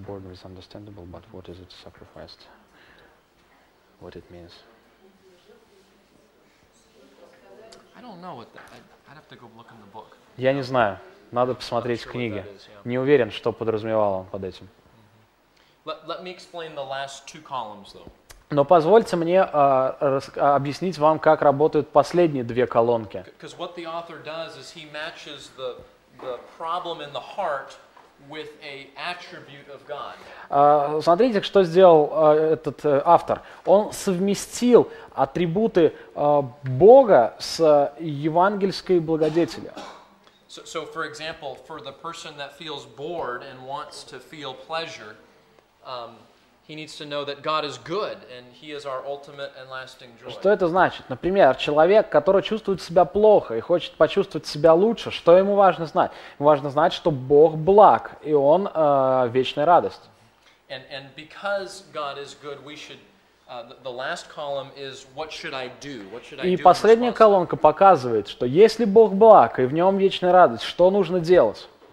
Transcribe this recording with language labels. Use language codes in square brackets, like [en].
[en] Boredom is understandable, but what is it sacrificed? What it means? I don't know what that. I'd have to go look in the book. [ru] Я не знаю. Надо посмотреть в книге. Не уверен, что подразумевал он под этим. [en] Let me explain the last two columns, though. [ru] Но позвольте мне объяснить вам, как работают последние две колонки. [en] Because what the author does is he matches the problem in the heart with a attribute of God. [ru] Смотрите, что сделал этот автор. Он совместил атрибуты Бога с евангельской благодетелью. [en] So for example, for the person that feels bored and wants to feel pleasure, he needs to know that God is good and he is our ultimate and lasting joy. [ru] Что это значит? Например, человек, который чувствует себя плохо и хочет почувствовать себя лучше, что ему важно знать? Ему важно знать, что Бог благ, и он вечная радость. [en] And because God is good, we should the last column is what should I do? What should I [ru] do? И последняя колонка показывает, что если Бог благ и в нем вечная радость, что нужно делать?